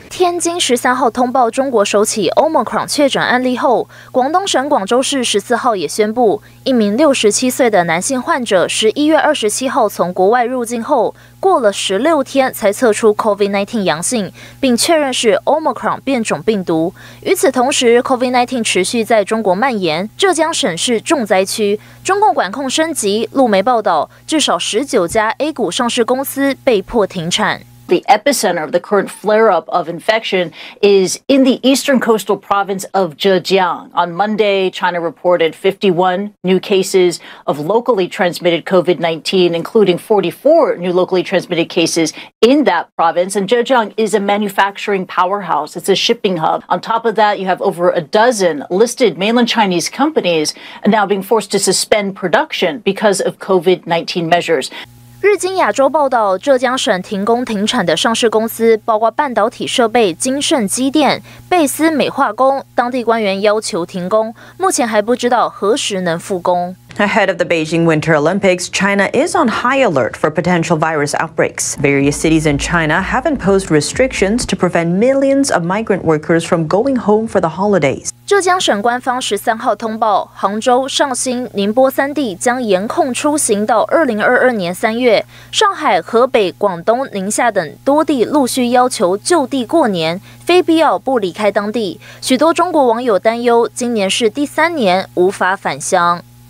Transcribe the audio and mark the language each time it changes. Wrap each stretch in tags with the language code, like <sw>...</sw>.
<zh>天津13号通报中国首起 Omicron 确诊案例后，广东省广州市14号也宣布，一名67岁的男性患者11月27号从国外入境后，过了16天才测出 COVID-19 阳性，并确认是 Omicron 变种病毒。与此同时， COVID-19 持续在中国蔓延，浙江省是重灾区，中共管控升级，路媒报道，至少19家 A 股上市公司被迫停产。</zh> <en>The epicenter of the current flare-up of infection is in the eastern coastal province of Zhejiang. On Monday, China reported 51 new cases of locally transmitted COVID-19, including 44 new locally transmitted cases in that province. And Zhejiang is a manufacturing powerhouse. It's a shipping hub. On top of that, you have over a dozen listed mainland Chinese companies now being forced to suspend production because of COVID-19 measures.</en> <zh>日经亚洲报道，浙江省停工停产的上市公司包括半导体设备金盛机电、贝斯美化工，当地官员要求停工，目前还不知道何时能复工。</zh> <en>Ahead of the Beijing Winter Olympics, China is on high alert for potential virus outbreaks. Various cities in China have imposed restrictions to prevent millions of migrant workers from going home for the holidays.</en> <zh>浙江省官方13号通报，杭州、绍兴、宁波三地将严控出行到2022年3月，上海、河北、广东、宁夏等多地陆续要求就地过年，非必要不离开当地。许多中国网友担忧，今年是第三年无法返乡。</zh>